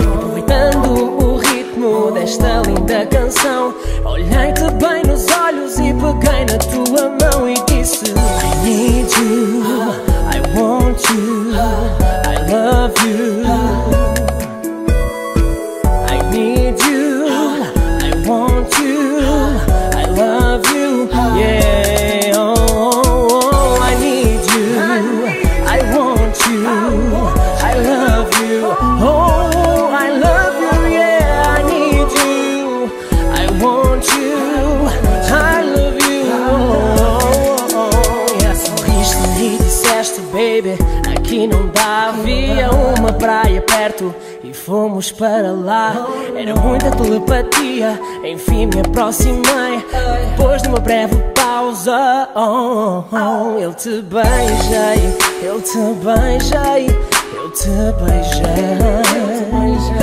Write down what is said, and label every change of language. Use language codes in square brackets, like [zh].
[pt] Aproveitando o ritmo desta linda canção, olhei-te bem nos olhos e peguei na tua mão e disse: [en] I need you, I want you, I love you. I need you, I want you, I love you, yeah. Oh, oh, oh, I need you, I want you, I love you. Oh, I love you, yeah. I need you, I want you, I love you. Oh, oh, oh, yeah. [pt] Sorriste e disseste: baby, aqui não dá. Havia uma praia perto e fomos para lá. Era muita telepatia, enfim me aproximei. Depois de uma breve pausa, oh, oh, eu te beijei, eu te beijei, eu te beijei.